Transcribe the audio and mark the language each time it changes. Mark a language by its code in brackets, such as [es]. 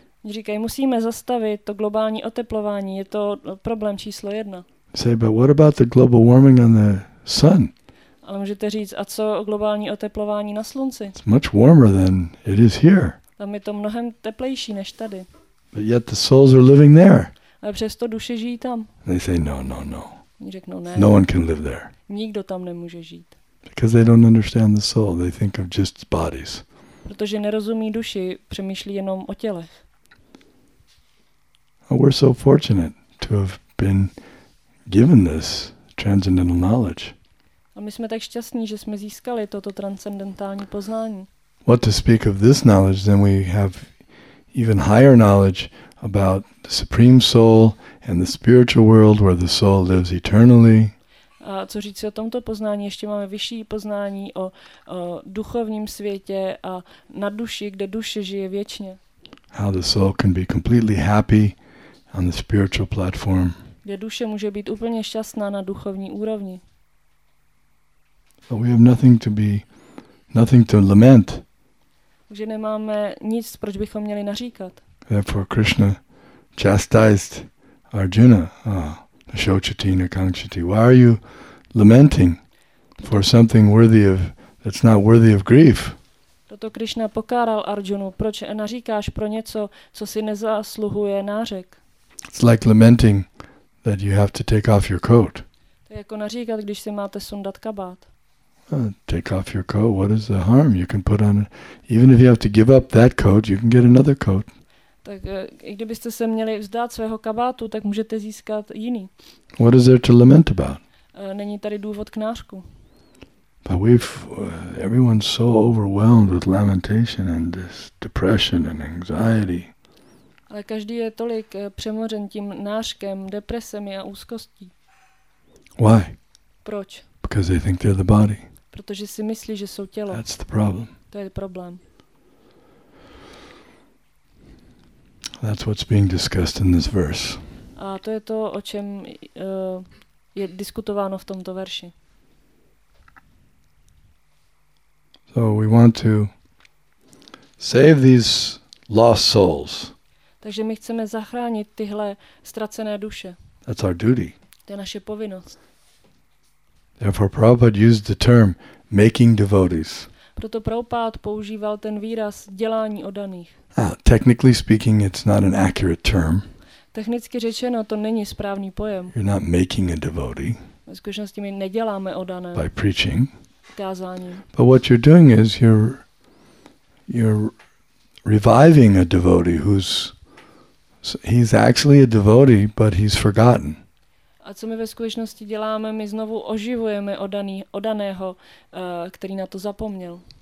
[cs] Říkají, musíme zastavit to globální oteplování. Je to problém číslo jedna. [en] Say, but what about the global warming on the sun? [cs] Ale můžete říct, a co globální oteplování na slunci? [en] It's much warmer than it is here. [cs] Tam je to mnohem teplejší než tady. [en] But yet the souls are living there. [cs] Ale přesto duše žijí tam. [en] They say no, no, no. [cs] Řeknou, ne. [en] No one can live there. [cs] Nikdo tam nemůže žít. [en] Because they don't understand the soul. They think of just bodies. [cs] Protože nerozumí duši, přemýšlí jenom o tělech. [en] Oh, we're so fortunate to have been given this transcendental knowledge. [cs] A my jsme tak šťastní, že jsme získali toto transcendentální poznání. [en] What to speak of this knowledge, then we have even higher knowledge about the supreme soul and the spiritual world where the soul lives eternally. [cs] A co říct o tomto poznání, ještě máme vyšší poznání o duchovním světě a na duši, kde duše žije věčně. [en] How the soul can be completely happy on the spiritual platform. [cs] Kde duše může být úplně šťastná na duchovní úrovni. [en] But we have nothing to lament. [cs] Že nemáme nic, proč bychom měli naříkat. [en] Therefore Krishna chastised Arjuna. [sa] Ah, Ashochatina Kanchati. [en] Why are you lamenting for something that's not worthy of grief? [cs] Toto Krishna pokáral Arjunu. Proč naříkáš pro něco, co si nezasluhuje nářek? [en] It's like lamenting that you have to take off your coat. [cs] To je jako naříkat, když si máte sundat kabát. [en] Take off your coat. What is the harm? You can put on it. Even if you have to give up that coat, you can get another coat. [cs] Tak i kdybyste se měli vzdát svého kabátu, tak můžete získat jiný. [en] What is there to lament about? [cs] Není tady důvod k nářku. [en] But everyone's so overwhelmed with lamentation and this depression and anxiety. [cs] Ale každý je tolik přemořen tím nářkem, depresemi a úzkostí. [en] Why? [cs] Proč? [en] Because they think they're the body. [cs] Protože si myslí, že jsou tělo. [en] That's the problem. [cs] To je problém. [en] That's what's being discussed in this verse. [cs] A to je to, o čem je diskutováno v tomto verši. [en] So we want to save these lost souls. [cs] Takže my chceme zachránit tyhle ztracené duše. [en] That's our duty. [cs] To je naše povinnost. [en] Therefore Prabhupada used the term making devotees. [cs] Proto Prabhupada používal ten výraz dělání oddaných. [en] Technically speaking, it's not an accurate term. [cs] Technicky řečeno, to není správný pojem. [en] You're not making a devotee. [cs] Ve skutečnosti my neděláme oddané. [en] By preaching. [cs] Kázáním. [en] But what you're doing is you're reviving a devotee he's actually a devotee, but he's forgotten. [cs] A co my ve skutečnosti děláme, my znovu oživujeme odaného, který na to zapomněl.